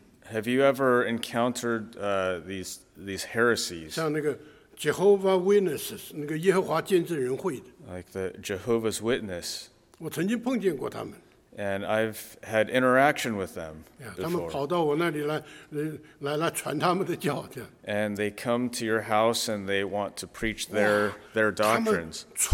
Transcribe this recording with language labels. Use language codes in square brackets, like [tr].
[en] Have you ever encountered these heresies? [zh] 像那个 Jehovah Witnesses, 那个耶和华见证人会的。 [en] Like the Jehovah's Witness. [zh] 我曾经碰见过他们。 [en] And I've had interaction with them before. And they come to your house and they want to preach their doctrines.